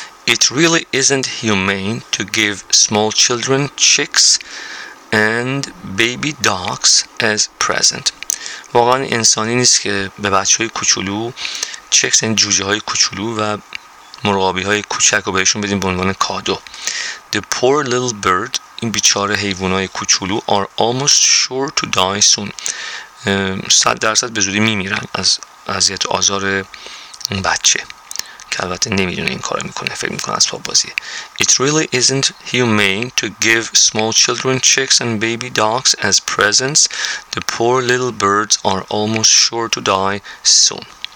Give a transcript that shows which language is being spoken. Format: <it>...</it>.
<en>It really isn't humane to give small children chicks and baby dogs as present.</en> <fa>واقعا انسانی نیست که به بچه‌های کوچولو چیکس و جوجه‌های کوچولو و مرغابی‌های کوچک رو بهشون بدیم به عنوان کادو.</fa> <en>The poor little bird،</en> <fa>این بیچاره حیوانای کوچولو،</fa> <en>are almost sure to die soon.</en> <fa>100% به زودی می‌میرن از اذیت آزار اون بچه. که البته نمیدونه این کار رو میکنه، فکر میکنه اسباب بازیه.</fa> <en>It really isn't humane to give small children chicks and baby dogs as presents. The poor little birds are almost sure to die soon.</en>